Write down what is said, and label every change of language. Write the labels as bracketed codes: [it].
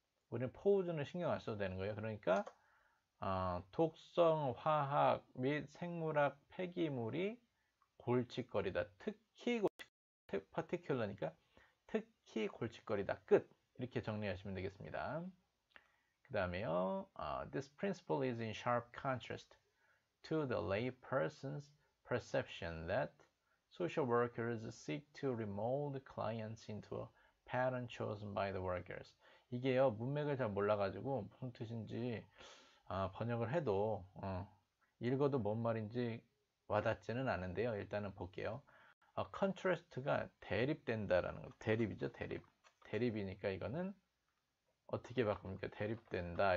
[ko] 우리는 pose는 신경 안 써도 되는 거예요. 그러니까 독성 화학 및 생물학 폐기물이 골칫거리다. 특히 particular니까 특히 골칫거리다. 끝. 이렇게 정리하시면 되겠습니다. 그다음에요. [en] This principle is in sharp contrast to the lay person's perception that social workers seek to remold clients into a pattern chosen by the workers. [ko] 이게요, 문맥을 잘 몰라가지고 무슨 뜻인지 번역을 해도 읽어도 뭔 말인지 와닿지는 않은데요. 일단은 볼게요. contrast가 대립된다라는 거, 대립이죠, 대립. 대립이니까 이거는 어떻게 바꿉니까? 대립된다.